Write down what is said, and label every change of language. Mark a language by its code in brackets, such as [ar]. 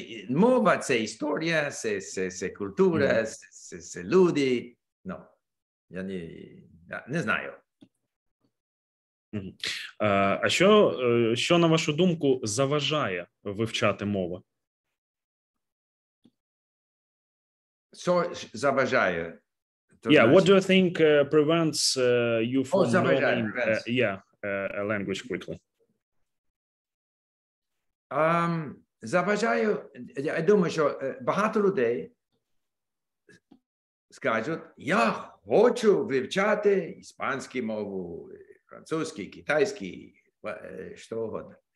[uk] Мова – це історія, це культура, це люди. Ну, я не знаю. А що, на вашу думку, заважає вивчати мову? Що заважає? [en] What do you think prevents you from learning a language quickly? [uk] Заважаю, я думаю, що багато людей скажуть, я хочу вивчати іспанську мову, французьку, китайську, що угодно.